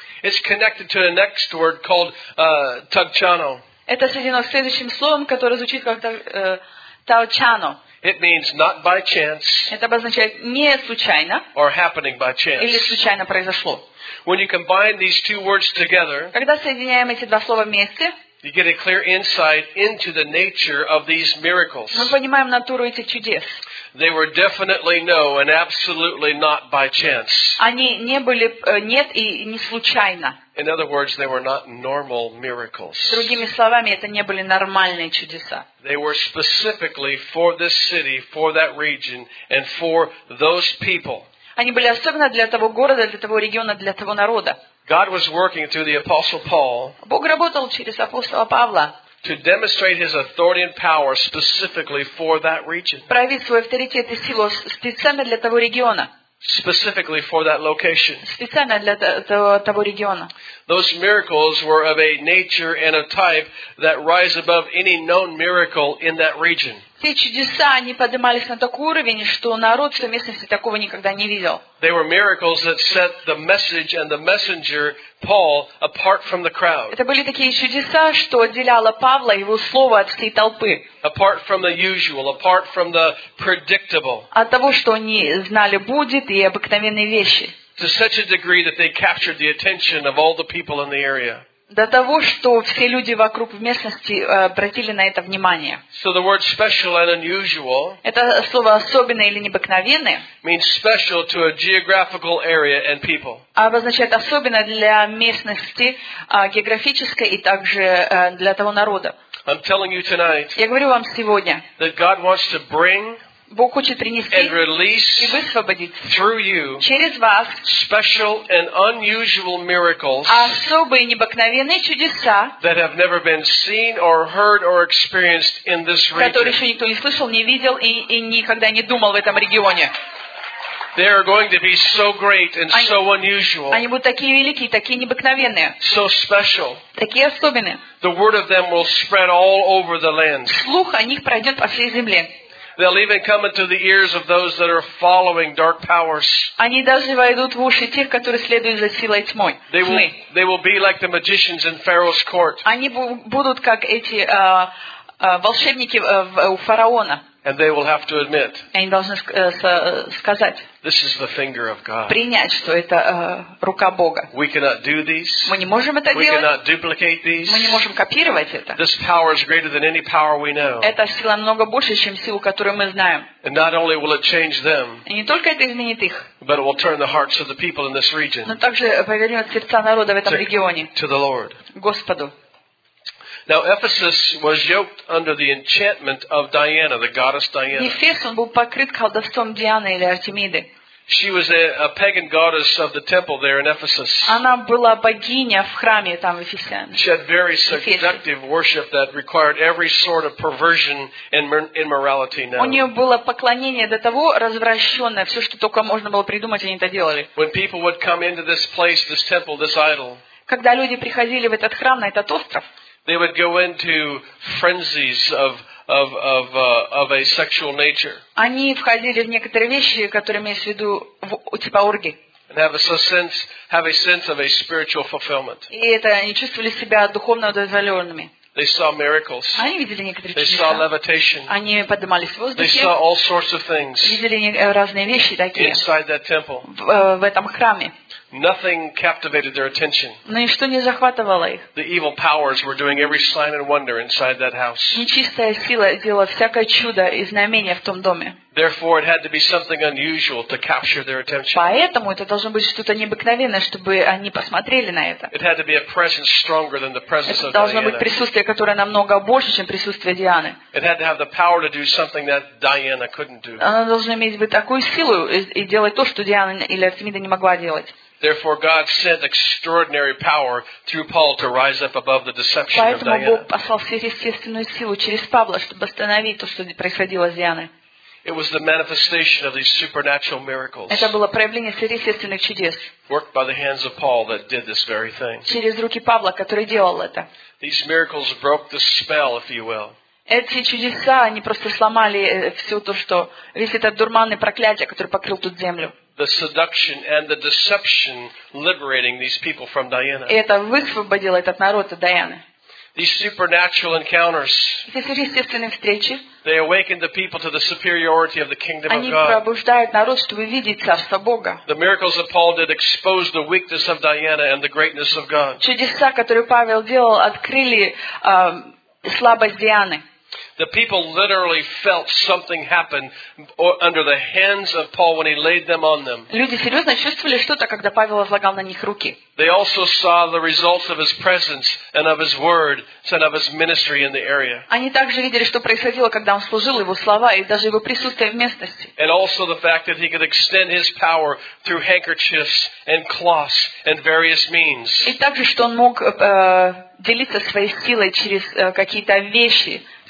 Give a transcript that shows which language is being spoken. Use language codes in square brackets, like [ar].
[en] It's connected to the next word called tagchano. [ru] Это соединено с следующим словом, которое звучит как tagchano. [en] It means not by chance. [ru] Это обозначает не случайно. [en] Or happening by chance. [ru] Или случайно произошло. [en] When you combine these two words together, [ru] когда соединяем эти два слова вместе, [en] you get a clear insight into the nature of these miracles. [ru] Мы понимаем натуру этих чудес. [en] They were definitely no and absolutely not by chance. [ru] Они не были нет и не случайно. [en] In other words, they were not normal miracles. [ru] Другими словами, это не были нормальные чудеса. [en] They were specifically for this city, for that region, and for those people. [ru] Они были особенно для того города, для того региона, для того народа. [en] God was working through the Apostle Paul. [ru] Бог работал через апостола Павла. [en] To demonstrate his authority and power specifically for that region. [ru] Проявить свой авторитет и силу специально для того региона. [en] Specifically for that location. [ru] Специально для того региона. [en] Those miracles were of a nature and a type that rise above any known miracle in that region. [ru] Те чудеса, они поднимались на такой уровень, что народ в своей местности такого никогда не видел. [en] They were miracles that set the message and the messenger Paul apart from the crowd. [ru] Это были такие чудеса, что отделяло Павла и его слово от всей толпы. [en] Apart from the usual, apart from the predictable. [ru] От того, что они знали будет и обыкновенные вещи. [en] To such a degree that they captured the attention of all the people in the area. [ru] До того, что все люди вокруг в местности обратили на это внимание. [en] So the word special and unusual [ru] это слово особенное или необыкновенное [en] means special to a geographical area and people. [ru] Обозначает особенное для местности географической и также для того народа. [en] I'm telling you tonight [ru] я говорю вам сегодня [en] that God wants to bring [ru] Бог хочет принести и высвободить через вас [en] special and unusual miracles, [ru] особые необыкновенные чудеса, [en] that have never been seen or heard or experienced in this region. [ru] Которые еще никто не слышал, не видел и никогда не думал в этом регионе. [en] They are going to be so great and so unusual. [ru] Они будут такие великие, такие необыкновенные. [en] So special. [ru] Такие особенные. [en] The word of them will spread all over the land. [ru] Слух о них пройдет по всей земле. [en] They'll even come into the ears of those that are following dark powers. [ru] Они даже войдут в уши тех, которые следуют за силой тьмы. [en] They will be like the magicians in Pharaoh's court. [ru] Они будут как эти волшебники у фараона. [en] And they will have to admit. [ru] Они должны сказать. [en] This is the finger of God. [ru] Принять, что это рука Бога. [en] We cannot do these. [ru] Мы не можем это делать. [en] We cannot duplicate these. [ru] Мы не можем копировать это. [en] This power is greater than any power we know. [ru] Эта сила намного больше, чем силу, которую мы знаем. [en] And not only will it change them. [ru] И не только это изменит их. [en] But it will turn the hearts of the people in this region. [ru] Но также повернет сердца народа в этом регионе. [en] To the Lord. [ru] Господу. [en] Now Ephesus was yoked under the enchantment of Diana, the goddess Diana. [ru] Ефесон был покрыт колдовством Дианы или Артемиды. [en] She was a pagan goddess of the temple there in Ephesus. [ru] Она была богиня в храме там в Эфесе. [en] She had very seductive worship that required every sort of perversion and immorality. [ru] У нее было поклонение до того развращенное, все, что только можно было придумать, они это делали. [en] When people would come into this place, this temple, this idol. [ru] Когда люди приходили в этот храм, на этот остров. [en] They would go into frenzies of a sexual nature. [ru] Они входили в некоторые вещи, которые имеют в виду типа оргии. [en] And have a sense of a spiritual fulfillment. [ru] И это они чувствовали себя духовно удовлетворенными. [en] They saw miracles. [ru] Они видели некоторые чудеса. [en] They saw levitation. [ru] Они поднимались в воздухе. [en] They saw all sorts of things. [ru] Видели разные вещи такие. [en] Inside that temple. [ru] В этом храме. [en] Nothing captivated their attention. [ru] Ничто не захватывало их. [en] The evil powers were doing every sign and wonder inside that house. [ru] Нечистая сила делала всякое чудо и знамение в том доме. [en] Therefore, it had to be something unusual to capture their attention. [ru] Поэтому это должно быть что-то необыкновенное, чтобы они посмотрели на это. [en] It had to be a presence stronger than the presence of Diana. [ru] Это должно быть присутствие, которое намного больше, чем присутствие Дианы. [en] It had to have the power to do something that Diana couldn't do. [ru] Она должна иметь такую силу и делать то, что Диана или Артемида не могла делать. [en] Therefore, God sent extraordinary power through Paul to rise up above the deception of Diana. [ru] Поэтому Бог послал сверхъестественную силу через Павла, чтобы остановить то, что происходило с Дианой. [en] It was the manifestation of these supernatural miracles. [ru] Это было проявление сверхъестественных чудес. [en] Worked by the hands of Paul that did this very thing. [ru] Через руки Павла, который делал это. [en] These miracles broke the spell, if you will. [ru] Эти чудеса, они просто сломали все то, что весь этот дурманный проклятие, который покрыл тут землю. [en] The seduction and the deception liberating these people from Diana. [ru] Это высвободило этот народ от Дианы. [en] These supernatural encounters. [ru] Эти сверхъестественные встречи. [en] They awaken the people to the superiority of the kingdom of God. [ru] Они пробуждают народ, чтобы видеть царство Бога. [en] The miracles that Paul did exposed the weakness of Diana and the greatness of God. [ru] Чудеса, которые Павел делал, открыли слабость Дианы. [en] The people literally felt something happen under the hands of Paul when he laid them on them. [ru] Люди серьезно чувствовали что-то, когда Павел возлагал на них руки. [en] They also saw the results of his presence and of his word and of his ministry in the area. [ru] Они также видели, что происходило, когда он служил, его слова и даже его присутствие в местности. [en] And also the fact that he could extend his power through handkerchiefs and cloths and various means. [ru] И также, что он мог делиться своей силой через какие-то вещи.